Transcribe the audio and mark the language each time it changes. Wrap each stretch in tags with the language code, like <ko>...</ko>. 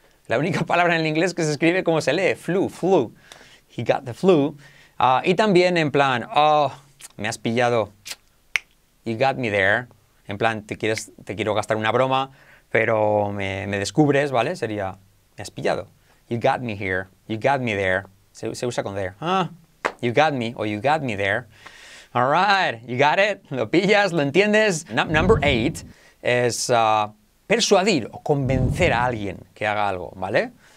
<es>La única palabra en el inglés que se escribe como se lee, flu, flu.</es> <en>He got the flu.</en> <es>Y también en plan, oh, me has pillado.</es> <en>You got me there.</en> <es>En plan, te quiero gastar una broma, pero me descubres, ¿vale? Sería, me has pillado.</es> <en>You got me here. You got me there.</en> <es>Se usa con</es> <en>there. Ah, you got me or you got me there. All right, you got it.</en> <es>Lo pillas, lo entiendes. Number eight es persuadir o convencer a alguien que haga algo, ¿vale?</es>